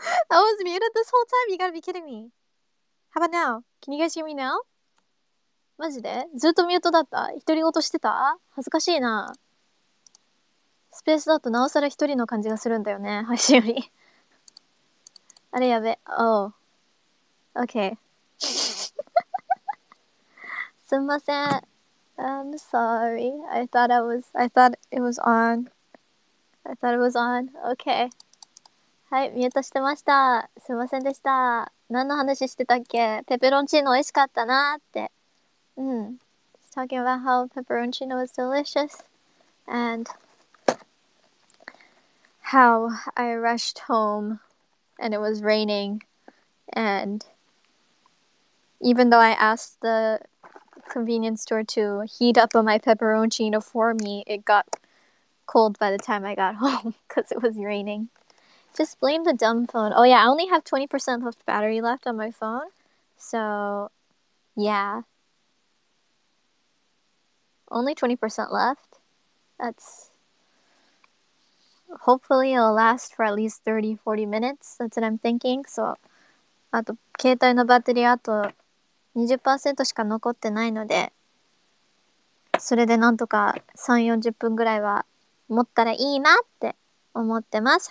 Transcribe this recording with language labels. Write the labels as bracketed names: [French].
[English] I was muted this whole time? You gotta be kidding me. How about now? Can you guys hear me now? [Japanese] マジで? ずっとミュートだった?一人ごとしてた?恥ずかしいな。スペースだとなおさら一人の感じがするんだよね。配信より。あれやべ。おう。OK。すんません。 [English] I'm sorry. I thought it was on. I thought it was on. Okay. [Japanese] はい、ミュートしてました。すいませんでした。何の話してたっけ? ペペロンチーノ美味しかったなーって。 [English] うん。She's talking about how pepperoncino was delicious. And how I rushed home and it was raining. And even though I asked theconvenience store to heat up my pepperoncino for me, it got cold by the time I got home because it was raining. Just blame the dumb phone. Oh yeah, I only have 20% of battery left on my phone, so yeah, only 20% left. That's hopefully it'll last for at least 30-40 minutes. That's what I'm thinking. [Japanese] So あと携帯のバッテリーあと20% しか残ってないので、それでなんとか3、40分ぐらいは持ったらいいなって思ってます。